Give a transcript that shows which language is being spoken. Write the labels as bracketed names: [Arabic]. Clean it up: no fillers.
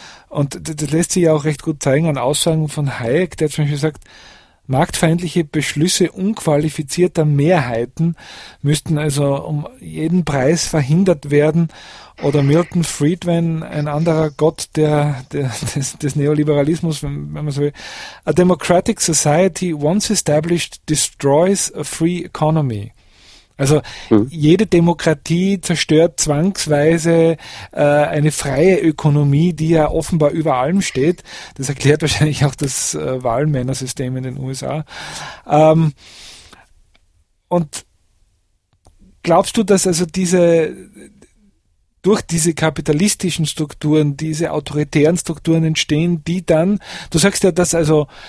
[German] Und das lässt sich ja auch recht gut zeigen an Aussagen von Hayek, der zum Beispiel sagt, marktfeindliche Beschlüsse unqualifizierter Mehrheiten müssten also um jeden Preis verhindert werden. Oder Milton Friedman, ein anderer Gott des Neoliberalismus, wenn man so will. [English] A democratic society once established destroys a free economy. [German] Also jede Demokratie zerstört zwangsweise eine freie Ökonomie, die ja offenbar über allem steht. Das erklärt wahrscheinlich auch das Wahlmännersystem in den USA. Und glaubst du, dass also durch diese kapitalistischen Strukturen, diese autoritären Strukturen entstehen, die dann, du sagst ja, dass also